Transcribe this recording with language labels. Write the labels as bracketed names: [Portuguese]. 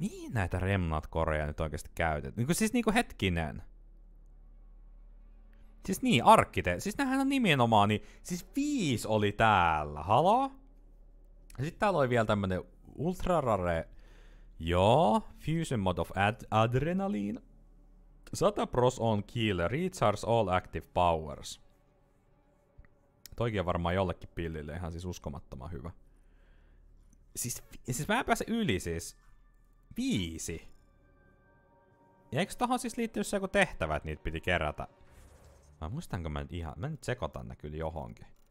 [Finnish] Mihin näitä remnat koreja nyt oikeasti käytetään? Niinku hetkinen. Siis niin, arkkite. Siis näähän on nimenomaan niin... Siis 5 oli täällä. Halo? Sitten täällä oli vielä tämmönen ultra rare. [English] Joo, fusion mod of adrenaline. 100% on kill, recharge all active powers. [Finnish] Toikin on varmaan jollekin pillille ihan siis uskomattoman hyvä. Siis mä en pääse yli siis. 5. Ja eikö tohon siis liittynyt se joku tehtävä, että niitä piti kerätä? Mä muistanko mä nyt ihan, mä nyt sekoitan ne kyllä johonkin.